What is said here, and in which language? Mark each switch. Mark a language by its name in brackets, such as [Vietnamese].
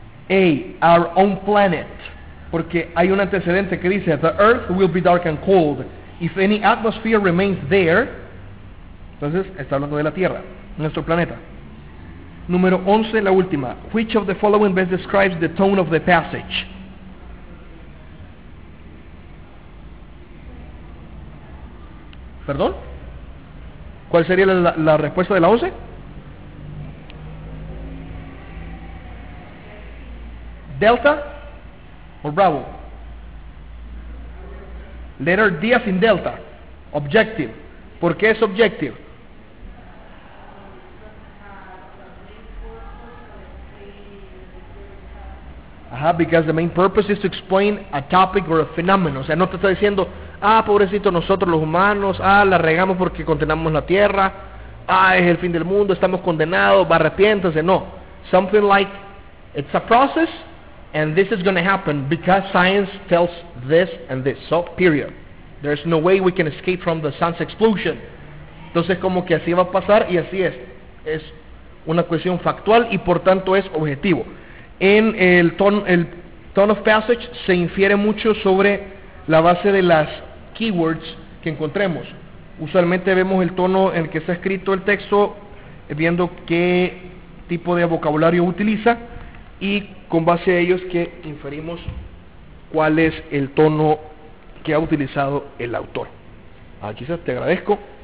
[English] A, our own planet. [Spanish] Porque hay un antecedente que dice, [English] the earth will be dark and cold if any atmosphere remains there. [Spanish] Entonces, está hablando de la Tierra, nuestro planeta. Número 11, la última. [English] Which of the following best describes the tone of the passage? [Spanish] ¿Perdón? ¿Cuál sería la respuesta de la 11? ¿Delta o Bravo? [English] Letter D as in Delta. Objective. [Spanish] ¿Por qué es objective? Ajá, [English] because the main purpose is to explain a topic or a phenomenon. [Spanish] O sea, no te está diciendo, ah, pobrecito nosotros los humanos, ah, la regamos porque contenemos la tierra, ah, es el fin del mundo, estamos condenados, va, arrepiéntase. [English] No, something like, it's a process, and this is going to happen because science tells this and this. So, period. There's no way we can escape from the sun's explosion. [Spanish] Entonces, como que así va a pasar y así es. Es una cuestión factual y por tanto es objetivo. En el tone of passage se infiere mucho sobre la base de las keywords que encontremos. Usualmente vemos el tono en el que está escrito el texto, viendo qué tipo de vocabulario utiliza, y con base a ellos que inferimos cuál es el tono que ha utilizado el autor. Aquí está, te agradezco.